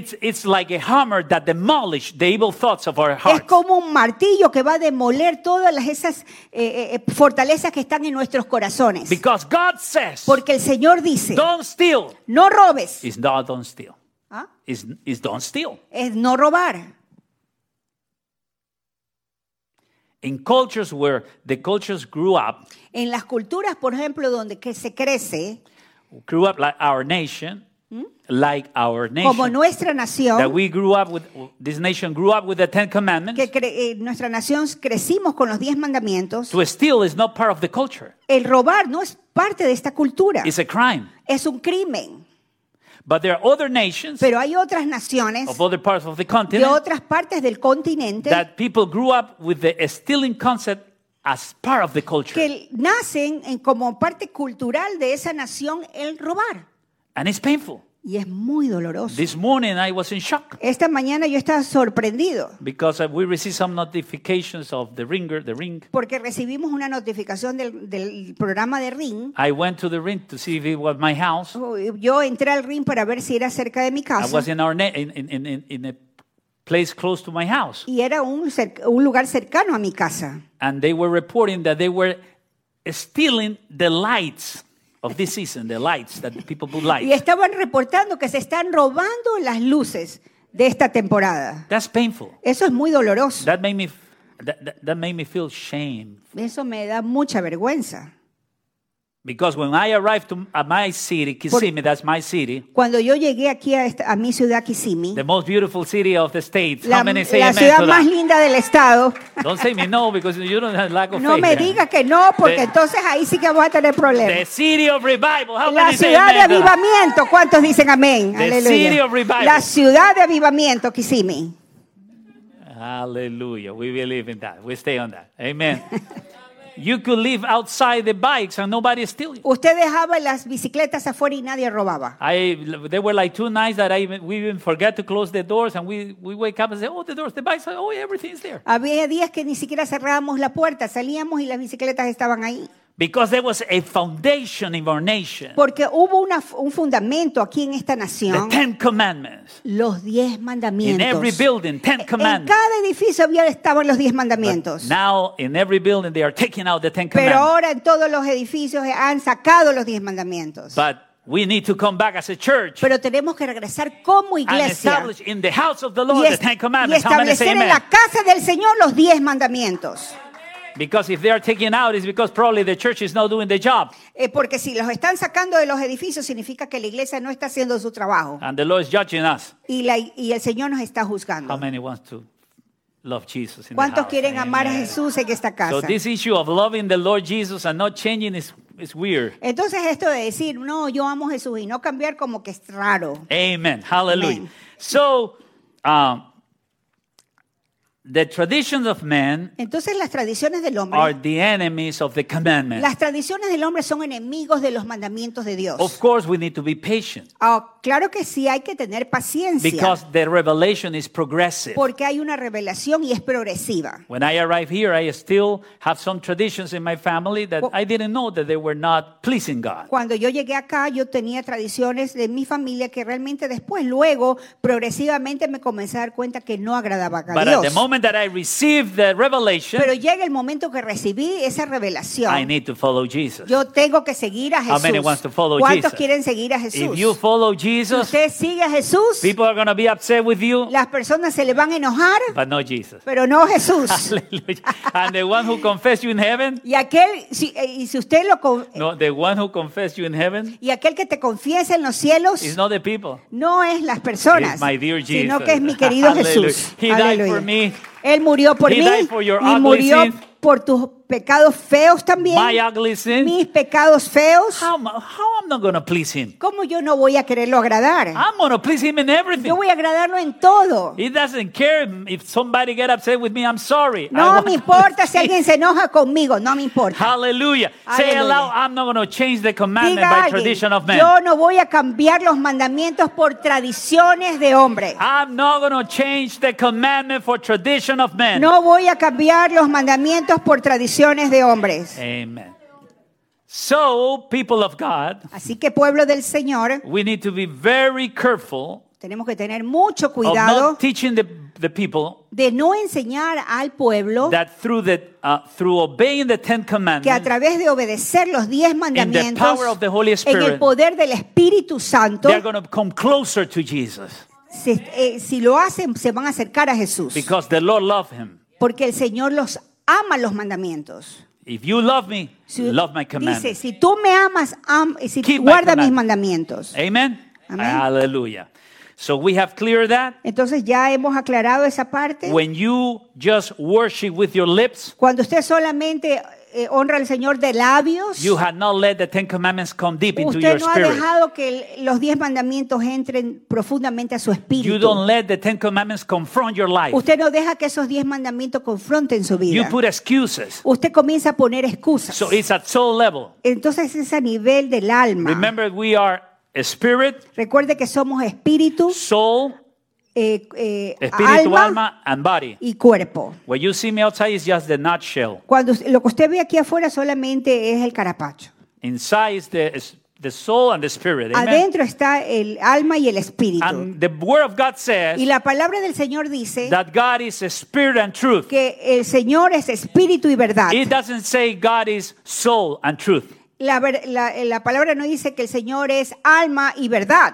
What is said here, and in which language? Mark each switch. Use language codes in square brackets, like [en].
[en] It's like a hammer that demolishes the evil thoughts of our hearts. [es] Es como un martillo que va a demoler todas esas fortalezas que están en nuestros corazones. [en] Because God says, [es] porque el Señor dice, [en] don't steal. [es] No robes. [en] It's not don't steal. Is don't steal. [es] Es no robar. [en] In cultures where the cultures grew up, [es] en las culturas, por ejemplo, donde que se crece, [en] grew up like our nation, like our nation, [es] como nuestra nación, [en] that we grew up with, this nation grew up with the Ten Commandments, [es] que nuestra nación crecimos con los diez mandamientos. [en] To steal is not part of the culture. [es] El robar no es parte de esta cultura. [en] It's a crime. [es] Es un crimen. [en] But there are other nations, [es] pero hay otras naciones, [en] of other parts of the continent, [es] de otras partes del continente, [en] that people grew up with the stealing concept as part of the culture, [es] que nacen en como parte cultural de esa nación el robar, [en] and it's painful. [es] Y es muy doloroso. [en] This morning I was in shock. [es] Esta mañana yo estaba sorprendido. [en] Because we received some notifications of the ringer, the ring. [es] Porque recibimos una notificación del programa de ring. [en] I went to the ring to see if it was my house. [es] Yo entré al ring para ver si era cerca de mi casa. [en] I was in our in a place close to my house. [es] Y era un lugar cercano a mi casa. [en] And they were reporting that they were stealing the lights of this season, the lights that the people put lights. [es] Y estaban reportando que se están robando las luces de esta temporada. [en] That's painful. [es] Eso es muy doloroso. [en] That made me feel shame. [es] Eso me da mucha vergüenza. [en] Because when I arrived to my city, Kissimmee, that's my city. [es] Cuando yo llegué aquí a mi ciudad, Kissimmee. [en] The most beautiful city of the state. How many say amen? [es] La ciudad más linda del estado. [en] Don't say me no because you don't have lack of faith. [es] No me digas que no porque entonces ahí sí que voy a tener problemas. [en] The city of revival. How many say amen? [es] La ciudad de avivamiento. ¿Cuántos dicen amén? [en] Aleluya. The city of revival. [es] La ciudad de avivamiento, Kissimmee. [en] Hallelujah. We believe in that. We stay on that. Amen. You could leave outside the bikes and nobody steal you. [es] Usted dejaba las bicicletas afuera y nadie robaba. [en] There were like two nights that we even forget to close the doors and we wake up and say, oh, the doors, the bikes, oh, everything is there. [es] Había días que ni siquiera cerrábamos la puerta, salíamos y las bicicletas estaban ahí. [en] Because there was a foundation in our nation. [es] Porque hubo un fundamento aquí en esta nación. [en] The Ten Commandments. [es] Los diez mandamientos. [en] In every building, Ten Commandments. [es] En cada edificio había estaban los diez mandamientos. [en] But now in every building they are taking out the Ten Commandments. [es] Pero ahora en todos los edificios han sacado los diez mandamientos. [en] But we need to come back as a church. [es] Pero tenemos que regresar como iglesia. [en] And establish in the house of the Lord the Ten Commandments. [es] Y establecer en la casa del Señor los diez mandamientos. [en] Because if they are taken out, it's because probably the church is not doing the job. [es] Porque si los están sacando de los edificios, significa que la iglesia no está haciendo su trabajo. [en] And the Lord is judging us. [es] Y el Señor nos está juzgando. [en] How many wants to love Jesus in the [es] ¿Cuántos quieren amar a Jesús en esta casa? [en] So this issue of loving the Lord Jesus and not changing is weird. [es] Entonces esto de decir, no, yo amo a Jesús y no cambiar como que es raro. [en] Amen. Hallelujah. Amen. So, the traditions of men. [es] Entonces las tradiciones del hombre. [en] Are the enemies of the commandments. [es] Las tradiciones del hombre son enemigos de los mandamientos de Dios. [en] Of course, we need to be patient. [es] Claro que sí, hay que tener paciencia. [en] Because the revelation is progressive. [es] Porque hay una revelación y es progresiva. [en] When I arrive here, I still have some traditions in my family that I didn't know that they were not pleasing God. [es] Cuando yo llegué acá, yo tenía tradiciones de mi familia que realmente después, luego, progresivamente me comencé a dar cuenta que no agradaba a [en] But [es] Dios. [en] Moment that I received the revelation. [es] Pero llega el momento que recibí esa revelación. [en] I need to follow Jesus. [es] Yo tengo que seguir a Jesús. [en] How many wants to follow [es] ¿Cuántos [en] Jesus? [es] Quieren seguir a Jesús? [en] If you follow Jesus, [es] si usted sigue a Jesús, [en] people are going to be upset with you. [es] Las personas se le van a enojar. [en] But not Jesus. [es] Pero no Jesús. [en] Hallelujah. And the one who confessed you in heaven. [es] Y aquel si usted lo [en] No, the one who confessed you in heaven. [es] Y aquel que te confiesa en los cielos. [en] Is not the people. [es] No es las personas. [en] It's my dear Jesus. [es] Sino que es mi querido Jesús. [en] He died for me. [es] Él murió por [en] He [es] mí [en] for [es] y murió [en] sins. [es] Por tus pecados feos también. [en] My ugly sins. [es] Mis pecados feos. [en] How I'm not gonna please him? [es] ¿Cómo yo no voy a quererlo agradar? [en] I'm gonna please him in everything. [es] Yo voy a agradarlo en todo. [en] He doesn't care if somebody get upset with me. I'm sorry. [es] No me importa si alguien se enoja conmigo. No me importa. [en] Hallelujah. Say aloud, I'm not gonna change the commandment [es] Diga [en] by [es] alguien, [en] tradition of men. [es] Yo no voy a cambiar los mandamientos por tradiciones de hombres. [en] I'm not gonna change the commandment for tradition of men. [es] No voy a cambiar los mandamientos por tradición de hombres. [en] Amen. So, people of God, [es] así que pueblo del Señor, [en] we need to be very careful. [es] Tenemos que tener mucho cuidado. [en] Of not teaching the people [es] de no enseñar al pueblo [en] that through obeying the Ten Commandments, [es] que a través de obedecer los diez mandamientos, [en] in the power of the Holy Spirit, [es] en el poder del Espíritu Santo, [en] they're going to come closer to Jesus. [es] Si lo hacen, se van a acercar a Jesús. [en] Because the Lord loves him. [es] Porque el Señor los ama los mandamientos. [en] If you love me, si, love my commandments. [es] Dice, si tú me amas, si Keep guarda mis mandamientos. [en] Amen. Amen. Hallelujah. So we have cleared that. [es] Entonces ya hemos aclarado esa parte. [en] When you just worship with your lips. [es] Cuando usted solamente honra al Señor de labios. [en] You have not let the Ten Commandments come deep into your [es] Usted no ha dejado que los diez mandamientos entren profundamente a su espíritu. [en] You don't let the Ten Commandments confront your life. [es] Usted no deja que esos diez mandamientos confronten su vida. [en] You put excuses. [es] Usted comienza a poner excusas. [en] So it's at soul level. [es] Entonces es a nivel del alma. [en] Remember, we are a spirit. [es] Recuerde que somos espíritu. [en] Soul. [es] Espíritu, [en] alma and body. [es] Y cuerpo. [en] What you see me outside is just the nutshell. [es] Lo que usted ve aquí afuera solamente es el carapacho. [en] Inside is the the soul and the spirit. [es] Adentro está el alma y el espíritu. [en] And the word of God says, [es] y la palabra del Señor dice, [en] that God is spirit and truth. [es] Que el Señor es espíritu y verdad. [en] It doesn't say God is soul and truth. [es] La palabra no dice que el Señor es alma y verdad.